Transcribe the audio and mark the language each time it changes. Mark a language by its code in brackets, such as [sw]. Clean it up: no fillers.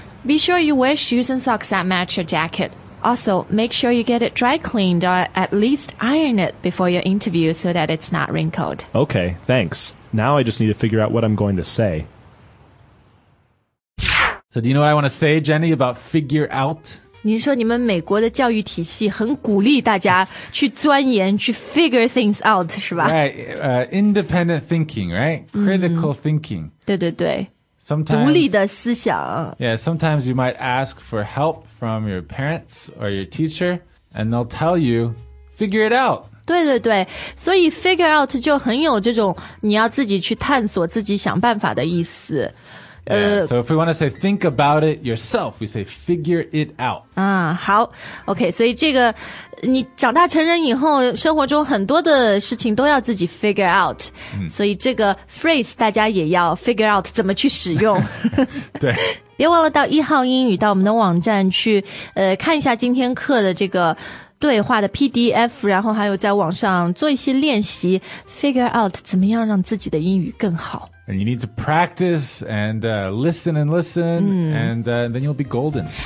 [en] Be sure you wear shoes and socks that match your jacket. Also, make sure you get it dry cleaned or at least iron it before your interview so that it's not wrinkled. Okay, thanks. Now I just need to figure out what I'm going to say. So do you know what I want to say, Jenny, about figure out? [zh] 您说你们美国的教育体系很鼓励大家去钻研去 [en] figure things out, [zh] 是吧 [en] Right, independent thinking, right? Critical thinking. [zh] 对对对 [en] Sometimes, [zh] 独立的思想 [en] Yeah, sometimes you might ask for help from your parents or your teacher, and they'll tell you, figure it out. [zh] 对对对所以 figure out 就很有这种你要自己去探索自己想办法的意思 [en] Yeah, so if we want to say think about it yourself, we say figure it out. [zh] 好 OK, 所以这个你长大成人以后生活中很多的事情都要自己 figure out. 所以这个 phrase 大家也要 figure out 怎么去使用。对。别忘了到一号英语到我们的网站去看一下今天课的这个对话的 PDF, 然后还有在网上做一些练习 figure out 怎么样让自己的英语更好。 [en] And you need to practice and listen and listen, and then you'll be golden.